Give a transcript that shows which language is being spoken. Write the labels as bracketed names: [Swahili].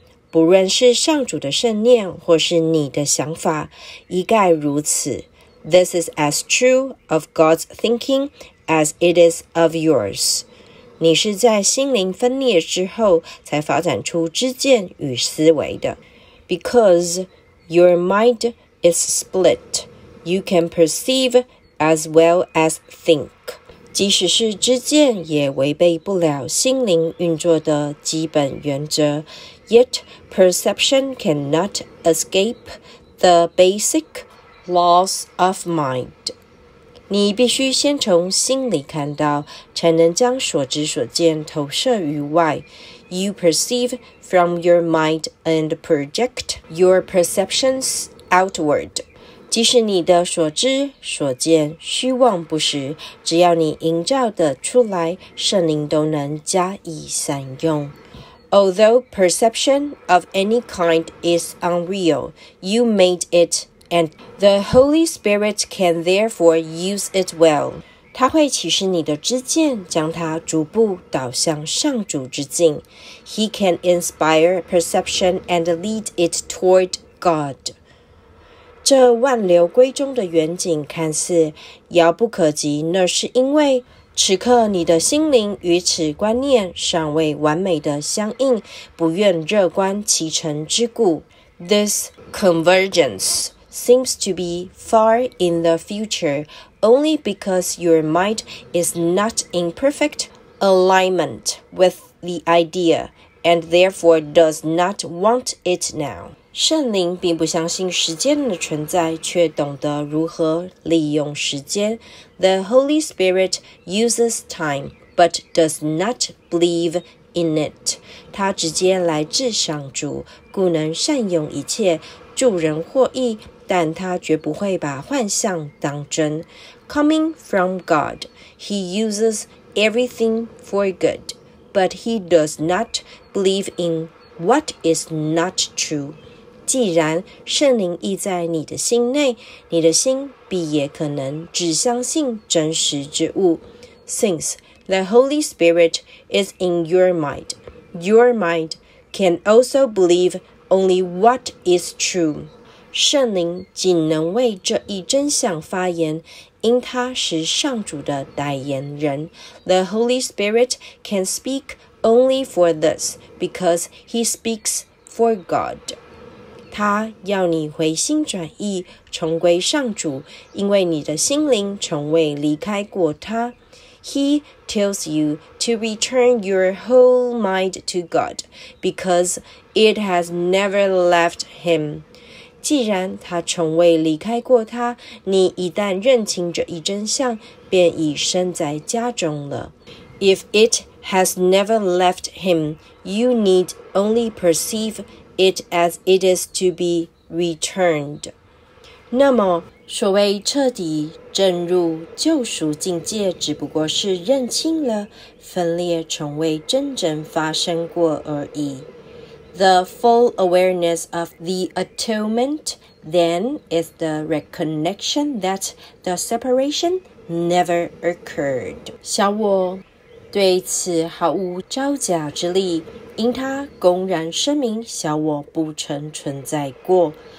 [Chinese] 不论是上主的圣念或是你的想法，一概如此。 [English] This is as true of God's thinking as it is of yours. [Chinese] 你是在心灵分裂之后才发展出知见与思维的。 [English] Because your mind is split, you can perceive as well as think. [Chinese] 即使是知见也违背不了心灵运作的基本原则。 [English] Yet perception cannot escape the basic laws of mind. [Chinese] 你必须先从心里看到，才能将所知所见投射于外。 [English] You perceive from your mind and project your perceptions outward. [Chinese] 即使你的所知所见虚妄不实，只要你营造的出来，圣灵都能加以善用。 [English] Although perception of any kind is unreal, you made it, and the Holy Spirit can therefore use it well. [Chinese] 他会启示你的知见，将它逐步导向上主之境。 [English] He can inspire perception and lead it toward God. [Chinese] 这万流归中的远景看似遥不可及，那是因为此刻你的心灵与此观念尚未完美的相应，不愿乐观其成之故。 [English] This convergence seems to be far in the future only because your mind is not in perfect alignment with the idea and therefore does not want it now. [Chinese] 圣灵并不相信时间的存在，却懂得如何利用时间。 [English] The Holy Spirit uses time, but does not believe in it. [Chinese] 他直接来至上主，故能善用一切，助人获益，但他绝不会把幻象当真。 [English] Coming from God, he uses everything for good, but he does not believe in what is not true. [Chinese] 既然圣灵意在你的心内，你的心必也可能只相信真实之物。 [English] Since the Holy Spirit is in your mind can also believe only what is true. [Chinese] 圣灵仅能为这一真相发言，因他是上主的代言人。 [English] The Holy Spirit can speak only for this, because he speaks for God. [Chinese] 他要你回心转意，重归上主，因为你的心灵从未离开过他。 [English] He tells you to return your whole mind to God, because it has never left him. [Chinese] 既然他从未离开过他，你一旦认清这一真相，便已身在家中了。 [English] If it has never left him, you need only perceive it as it is to be returned. [Chinese] 那么，所谓彻底进入救赎境界，只不过是认清了分裂从未真正发生过而已。 [English] The full awareness of the atonement, then, is the recognition that the separation never occurred. [Chinese] 小我对此毫无招架之力，因他公然声明小我不曾存在过。